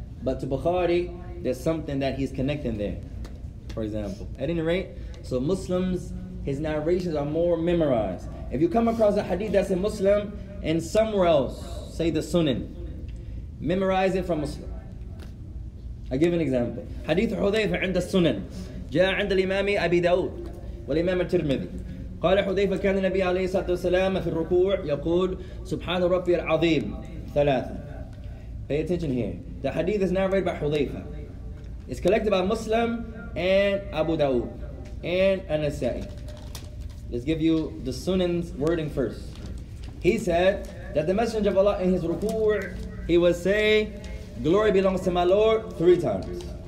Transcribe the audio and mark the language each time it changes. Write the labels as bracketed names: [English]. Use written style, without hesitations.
[English] But to Bukhari, there's something that he's connecting there, for example. At any rate, so Muslims, his narrations are more memorized. If you come across a hadith that's in Muslim and somewhere else, say the Sunan, memorize it from Muslim. I give an example. Hadith Hudhayfa عند Sunan. [Arabic] جاء عند الإمام أبي داود والإمام الترمذي. قال حذيفة كان النبي عليه الصلاة والسلام في الركوع يقول سبحان ربي العظيم ثلاثة [English] Pay attention here. The hadith is narrated by Hudhayfa. It's collected by Muslim and Abu Dawud and An-Nasa'i. Let's give you the Sunan's wording first. He said that the Messenger of Allah in his ruku', he would say, "Glory belongs to my Lord," three times.